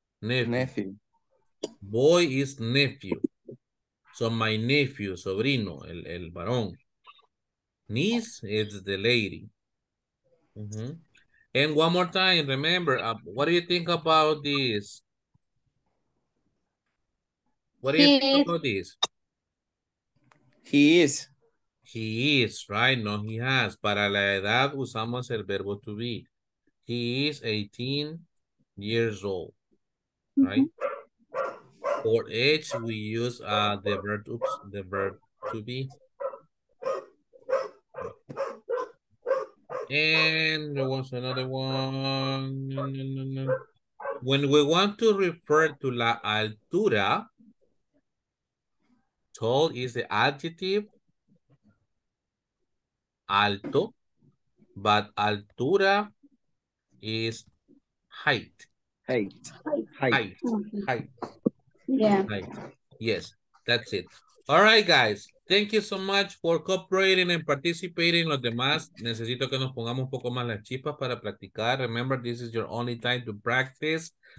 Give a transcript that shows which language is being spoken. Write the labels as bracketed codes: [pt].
[en] Nephew. Boy is nephew. So my nephew, [es] sobrino, el varón. [en] Niece is the lady. Mm-hmm. And one more time, remember, what do you think about this? What do you think about this? He is. He is, right? No, he has. [es] Para la edad usamos el verbo to be. [en] He is 18 years old, right? Mm-hmm. For age, we use the verb to be. And there was another one. When we want to refer to la altura, tall is the adjective alto, but altura is height. Height. Yes, that's it. All right, guys. Thank you so much for cooperating and participating. [es] Los demás, necesito que nos pongamos un poco más las chispas para practicar. [en] Remember, this is your only time to practice.